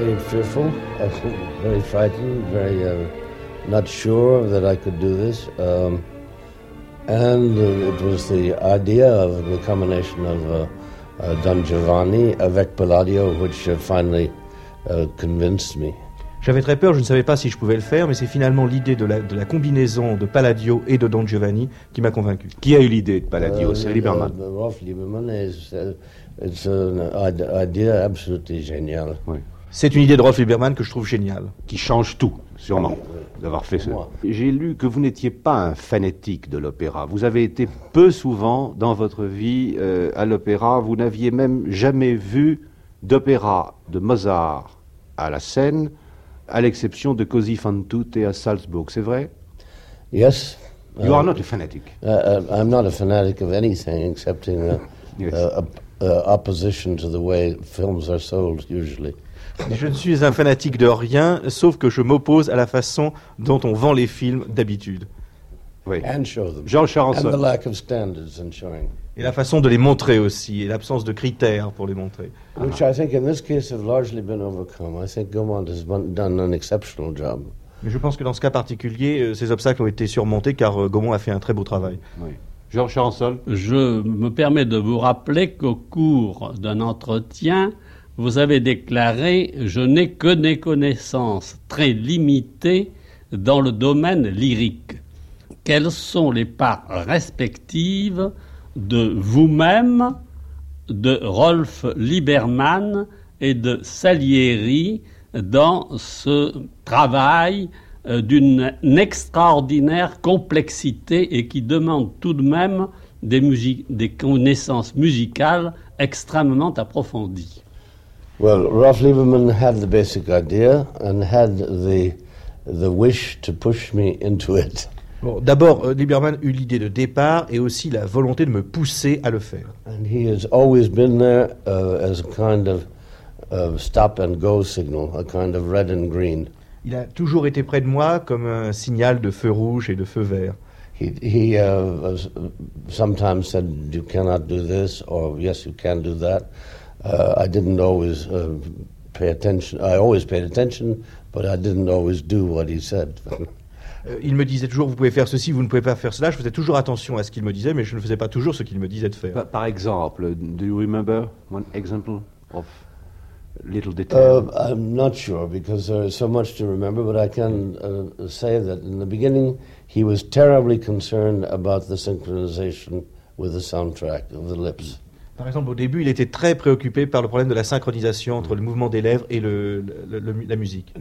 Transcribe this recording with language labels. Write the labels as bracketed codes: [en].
[en] Fearful, very frightened, very not sure that I could do this. It was the idea of the combination of Don Giovanni avec Palladio which finally convinced me. [fr] J'avais très peur, je ne savais pas si je pouvais le faire, mais c'est finalement l'idée de la combinaison de Palladio et de Don Giovanni qui m'a convaincu. Qui a eu l'idée de Palladio? C'est Liebermann. [en] Rolf Liebermann, it's an idea absolutely génial. [fr] Oui. C'est une idée de Rolf Liebermann que je trouve géniale. Qui change tout, sûrement, d'avoir fait ça. J'ai lu que vous n'étiez pas un fanatique de l'opéra. Vous avez été peu souvent dans votre vie à l'opéra. Vous n'aviez même jamais vu d'opéra de Mozart à la scène, à l'exception de Così fan tutte à Salzbourg, c'est vrai? [en] Yes. You are not a fanatic. I'm not a fanatic of anything, excepting opposition to the way films are sold, usually. [fr] Je ne suis un fanatique de rien, sauf que je m'oppose à la façon dont on vend les films d'habitude. Oui. [en] And show them. [fr] Jean Charançon. [en] And the lack of standards in showing. [fr] Et la façon de les montrer aussi, et l'absence de critères pour les montrer. [en] Which I think in this case have largely been overcome. I think Gaumont has done an exceptional job. [fr] Mais je pense que dans ce cas particulier, ces obstacles ont été surmontés car Gaumont a fait un très beau travail. Oui. Jean Charançon. Je me permets de vous rappeler qu'au cours d'un entretien, vous avez déclaré « Je n'ai que des connaissances très limitées dans le domaine lyrique. Quelles sont les parts respectives de vous-même, de Rolf Liebermann et de Salieri dans ce travail d'une extraordinaire complexité et qui demande tout de même des connaissances musicales extrêmement approfondies ?» [en] Well, Rolf Liebermann had the basic idea and had the wish to push me into it. [fr] Bon, d'abord, Liebermann eut l'idée de départ et aussi la volonté de me pousser à le faire. [en] And he has always been there as a kind of stop and go signal, a kind of red and green. [fr] Il a toujours été près de moi comme un signal de feu rouge et de feu vert. [en] He sometimes said, "You cannot do this," or "Yes, you can do that." I didn't always pay attention. I always paid attention, but I didn't always do what he said. [fr] Il me disait toujours, vous pouvez faire ceci, vous ne pouvez pas faire cela. Je faisais toujours attention à ce qu'il me disait, mais je ne faisais pas toujours ce qu'il me disait de faire. Par exemple, [en] do you remember one example of little detail? I'm not sure because there is so much to remember, but I can say that in the beginning, he was terribly concerned about the synchronization with the soundtrack of the lips. [fr] Par exemple, au début, il était très préoccupé par le problème de la synchronisation entre le mouvement des lèvres et la musique.